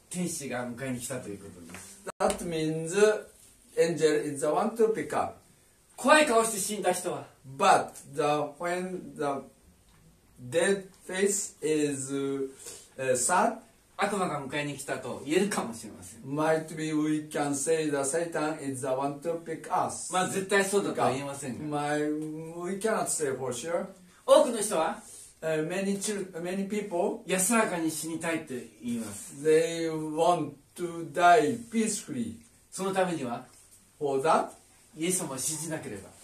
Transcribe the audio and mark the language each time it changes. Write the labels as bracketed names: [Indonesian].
[Japanese] 天使が迎えに来たということです。 [English] That means angel is the one to pick up. [Japanese] 怖い顔して死んだ人は、 [English] But the, when the dead face is sad, [Japanese] 悪魔が迎えに来たと言えるかもしれません。 [English] Might be we can say that Satan is the one to pick us. [Japanese] まあ絶対そうだとは言えません [English] が。We cannot say for sure. [Japanese] 多くの人は、 [English] many people, [Japanese] 安らかに死にたいって言います。 [English] They want to die peacefully. [Japanese] そのためには、 [English] for that, [Japanese] イエス様を信じなければ。